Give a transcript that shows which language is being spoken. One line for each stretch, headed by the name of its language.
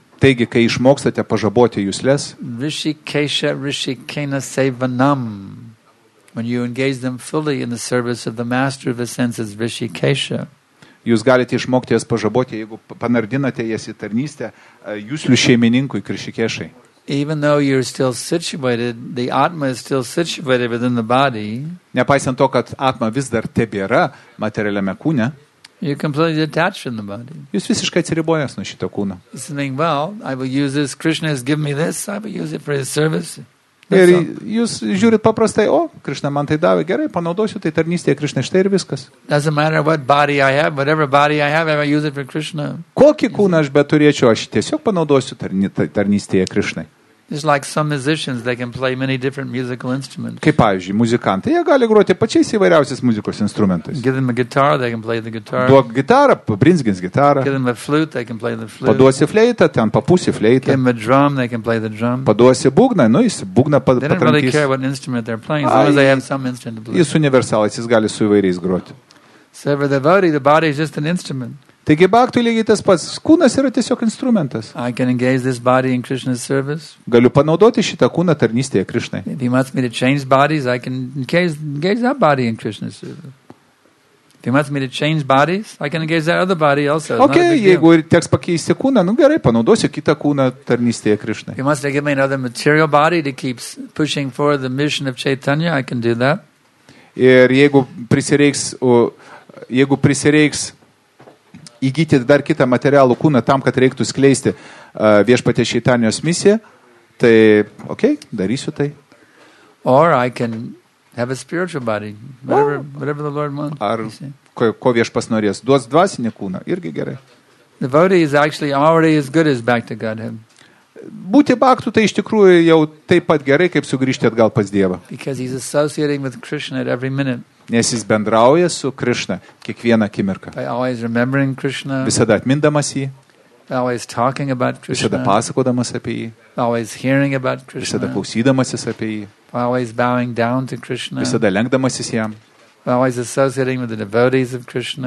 Lithuanian: taigi, kai išmokstate pažaboti jūslės,
Sanskrit: Rishikesha Rishikena Sevanam,
English: when you engage them fully in the service of the master of the senses, Rishikesha,
Lithuanian: jūs galite išmokti jas pažaboti, jeigu panardinate jas į tarnystę juslių šeimininkui, Rishikeshai.
English: Even though you're still situated, the Atma is still situated within the body,
Lithuanian: nepaisant to, kad Atma vis dar tebėra materialiame kūne,
English: you're completely detached from the body.
Lithuanian: Jūs visiškai atsiribojęs nuo šito kūno.
English: He's saying, well, I will use this, Krishna has given me this, I will use it for his service.
Lithuanian: Ir jūs žiūrit paprastai, o, Krishna man tai davė, gerai, panaudosiu tai tarnystėje Krishna, štai ir viskas.
English: Doesn't matter what body I have, whatever body I have, I will use it for Krishna.
Lithuanian: Kokį kūną aš beturėčiau, aš tiesiog panaudosiu tarnystėje Krishnai.
English: It's like some musicians, they can play many different musical instruments.
Lithuanian: Kaip pavyzdžiui, muzikantai, jie gali groti pačiais įvairiausiais muzikos instrumentais.
English: Give them a guitar, they can play the guitar.
Lithuanian: Duok gitarą, pabrinzgins gitarą.
English: Give them a flute, they can play the flute.
Lithuanian: Paduosi fleitą, ten papūsi fleitą.
English: Give them a drum, they can play the drum.
Lithuanian: Paduosi būgną, nu jis būgną patrankys.
English: They don't really care what instrument they're playing, as long as they have some instrument to play.
Lithuanian: Jis universalas, jis gali su įvairiais groti.
English: So for the body, the body is just an instrument.
Lithuanian: Taigi baktui lygiai tas pats. Kūnas yra tiesiog instrumentas.
English: I can engage this body in Krishna's service.
Lithuanian: Galiu panaudoti šitą kūną tarnystėje Krishnai.
English: If he wants me to change bodies, I can engage that body in Krishna's service. If he wants me to change bodies, I can engage that other body also.
Lithuanian: Okay, jeigu teks pakeisti kūną, nu gerai, panaudosiu kitą kūną tarnystėje Krishnai.
English: If he wants to give me another material body to keep pushing forward the mission of Chaitanya, I can do that.
Lithuanian: Ir jeigu prisireiks įgyti dar kitą materialų kūną tam, kad reiktų skleisti viešpatės Šeitanijos misiją, tai okay, darysiu tai.
English: Or I can have a spiritual body, whatever the Lord wants.
Lithuanian: Ar ko viešpas norės, duos dvasinį kūną, irgi gerai.
English: The devotee is actually already as good as back to Godhead.
Lithuanian: Būti baktu, tai iš tikrųjų jau taip pat gerai, kaip sugrįžti atgal pas Dievą.
English: Because he's associating with Krishna at every minute.
Lithuanian: Nes jis bendrauja su Krishna kiekvieną akimirką.
English: By always remembering Krishna.
Lithuanian: Visada atmindamas jį.
English: By always talking about Krishna.
Lithuanian: Visada pasakodamas apie jį.
English: By always hearing about Krishna.
Lithuanian: Visada klausydamasis apie jį.
English: By always bowing down to Krishna.
Lithuanian: Visada lenkdamasis jam.
English: By always associating with the devotees of Krishna.